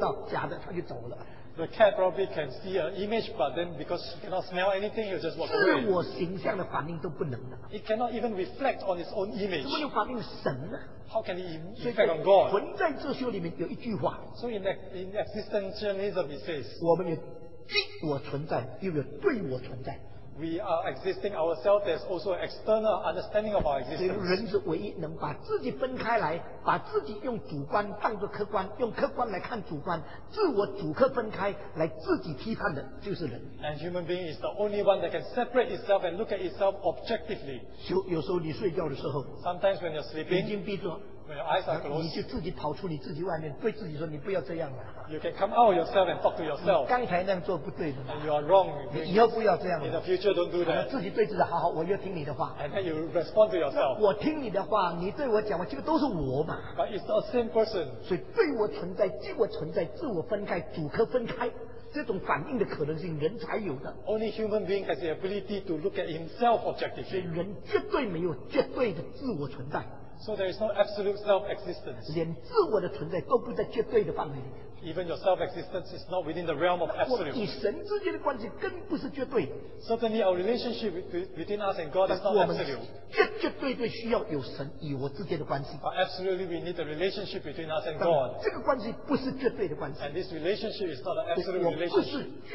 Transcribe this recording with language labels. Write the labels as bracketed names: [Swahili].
[English] The cat probably can see an image, but then because it cannot smell anything, it just walks away. [Chinese] 自我形象的反应都不能的。 [English] It cannot even reflect on its own image. [Chinese] 怎么又反应神呢？ [English] How can it reflect on God? [Chinese] 存在哲学里面有一句话, [English] so in existentialism it says, [Chinese] 我们有自我存在，又有对我存在。 [English] We are existing ourselves, there's also an external understanding of our existence. [Chinese] 人是唯一能把自己分开来，把自己用主观当作客观，用客观来看主观，自我主客分开来自己批判的，就是人。 [English] And human being is the only one that can separate itself and look at itself objectively. [Chinese] 有时候你睡觉的时候, [English] sometimes when you're sleeping, [Chinese] 眼睛闭住, [English] when your eyes are closed, [Chinese] 你就自己跑出你自己外面，对自己说你不要这样了。 [English] You can come out of yourself and talk to yourself. [Chinese] 刚才那样做不对的, [English] and you are wrong. [Chinese] 你以后不要这样了, [English] in the future, don't do that. [Chinese] 自己对自己好好, 我要听你的话, [English] and then you respond to yourself. [Chinese] 我听你的话, 你对我讲话, 这个都是我嘛, [English] but it's the same person. [Chinese] 所以对我存在, 自我存在, 自我分开, 主客分开, 这种反应的可能性, 人才有的。 [English] Only human being has the ability to look at himself objectively. [Chinese] 所以人绝对没有绝对的自我存在。 [English] So there is no absolute self-existence. [Chinese] 连自我的存在都不在绝对的范围里。 [English] Even your self-existence is not within the realm of absolute. Certainly our relationship between us and God is not absolute. But absolutely we need the relationship between us and God. And this relationship is not an absolute relationship.